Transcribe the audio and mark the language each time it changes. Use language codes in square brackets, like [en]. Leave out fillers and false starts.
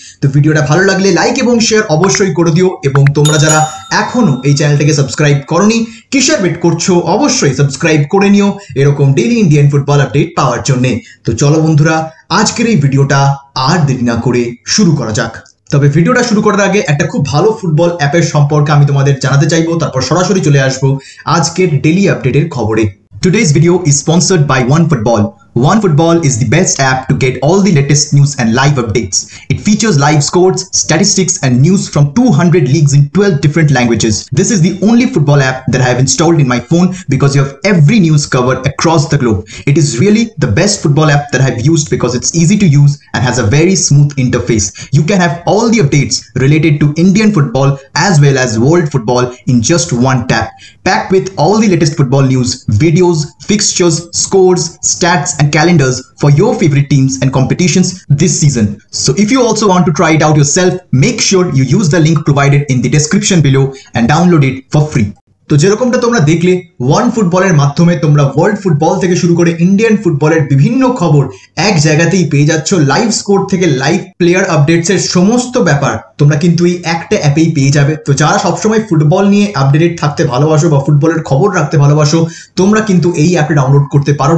[bn] তো ভিডিওটা ভালো লাগলে লাইক এবং শেয়ার অবশ্যই করে দিও, এবং তোমরা যারা এখনো এই চ্যানেলটাকে সাবস্ক্রাইব করনি, কিসের ওয়েট করছো, অবশ্যই সাবস্ক্রাইব করে নিও এরকম ডেইলি ইন্ডিয়ান ফুটবল আপডেট পাওয়ার জন্য। তো চলো বন্ধুরা, আজকের এই ভিডিওটা আর দেরি না করে শুরু করা যাক। তবে ভিডিওটা শুরু করার আগে একটা খুব ভালো ফুটবল অ্যাপের সম্পর্কে আমি তোমাদের জানাতে চাইবো, তারপর সরাসরি চলে আসবো আজকের ডেইলি আপডেটের খবরে। [en] Today's video is sponsored by OneFootball. OneFootball is the best app to get all the latest news and live updates. It features live scores, statistics and news from 200 leagues in 12 different languages. This is the only football app that I have installed in my phone because you have every news covered across the globe. It is really the best football app that I have used because it's easy to use and has a very smooth interface. You can have all the updates related to Indian football as well as world football in just one tap. Packed with all the latest football news, videos, fixtures, scores, stats and calendars for your favorite teams and competitions this season. So if you also want to try it out yourself, make sure you use the link provided in the description below and download it for free. [bn] তো যেরকমটা তোমরা দেখলে, one ফুটবলের মাধ্যমে তোমরা world football থেকে শুরু করে ইন্ডিয়ান ফুটবলের বিভিন্ন খবর এক জায়গাতেই পেয়ে যাচ্ছ। লাইভ স্কোর থেকে লাইভ প্লেয়ার আপডেটস এর সমস্ত ব্যাপার তোমরা কিন্তু এই একটা অ্যাপেই পেয়ে যাবে। তো যারা সবসময় ফুটবল নিয়ে আপডেটেড থাকতে ভালোবাসো বা ফুটবলের খবর রাখতে ভালোবাসো, তোমরা কিন্তু এই অ্যাপটা ডাউনলোড করতে পারো।